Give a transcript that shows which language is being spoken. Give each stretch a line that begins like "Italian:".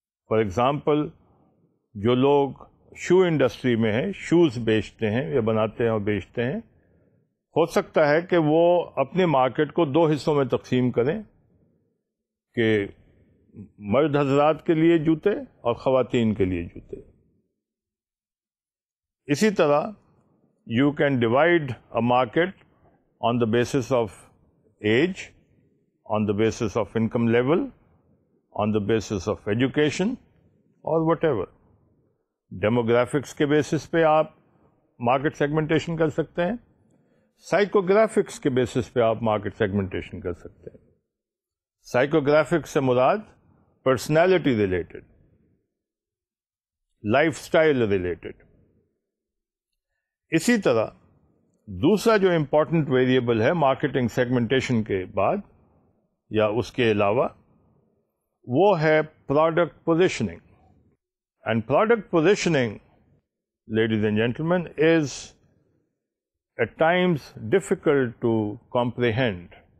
English: for example,
Urdu: جو لوگ شو industry میں ہیں، شوز بیچتے ہیں یا بناتے ہیں اور بیچتے ہیں، ہو سکتا ہے کہ وہ اپنے مارکیٹ کو دو حصوں میں تقسیم کریں کہ مرد حضرات کے لیے جوتے اور خواتین کے لیے جوتے. اسی طرح
English: You can divide a market on the basis of age, on the basis of income level, on the basis of education اور whatever.
Urdu: ڈیموگرافکس کے بیسس پہ آپ مارکیٹ سیگمنٹیشن کر سکتے ہیں، سائیکوگرافکس کے بیسس پہ آپ مارکیٹ سیگمنٹیشن کر سکتے ہیں. سائیکوگرافکس سے مراد personality related, life style related. اسی طرح دوسرا جو امپورٹنٹ ویریبل ہے مارکیٹنگ سیگمنٹیشن کے بعد یا اس کے علاوہ، وہ ہے product positioning.
English: And product positioning, ladies and gentlemen, is at times difficult to comprehend.